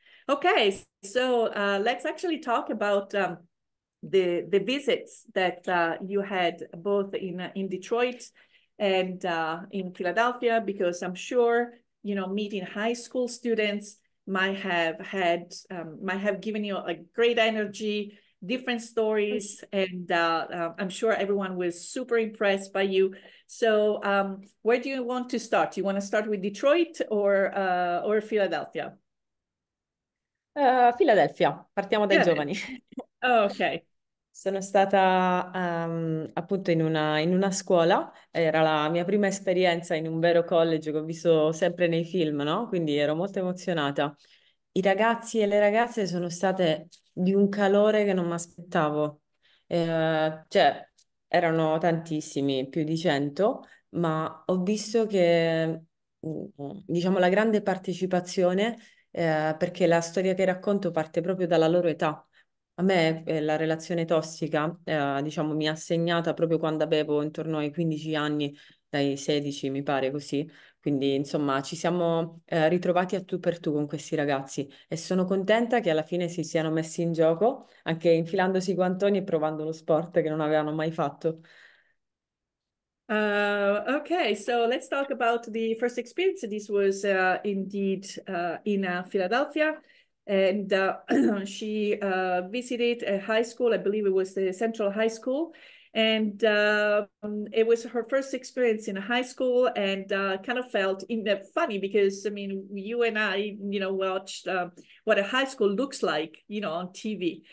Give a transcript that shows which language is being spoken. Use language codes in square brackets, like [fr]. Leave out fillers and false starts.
[en] Okay, so let's actually talk about the visits that you had both in Detroit and in Philadelphia, because I'm sure, you know, meeting high school students might have given you a great energy, different stories, and I'm sure everyone was super impressed by you. So where do you want to start? Do you want to start with Detroit or Philadelphia? [it] Philadelphia, partiamo dai giovani. [en] Okay. [it] Sono stata appunto in una scuola, era la mia prima esperienza in un vero college che ho visto sempre nei film, no? Quindi ero molto emozionata. I ragazzi e le ragazze sono state di un calore che non mi aspettavo. Cioè, erano tantissimi, più di 100, ma ho visto che, diciamo, la grande partecipazione, perché la storia che racconto parte proprio dalla loro età. A me la relazione tossica, diciamo, mi ha segnata proprio quando avevo intorno ai 15 anni, dai 16 mi pare così. Quindi, insomma, ci siamo ritrovati a tu per tu con questi ragazzi e sono contenta che alla fine si siano messi in gioco, anche infilandosi i guantoni e provando lo sport che non avevano mai fatto. [en] Okay, so let's talk about the first experience. This was indeed in Philadelphia. And she visited a high school, I believe it was the Central High School. And it was her first experience in a high school, and kind of felt funny because, I mean, you and I, you know, watched what a high school looks like, you know, on TV.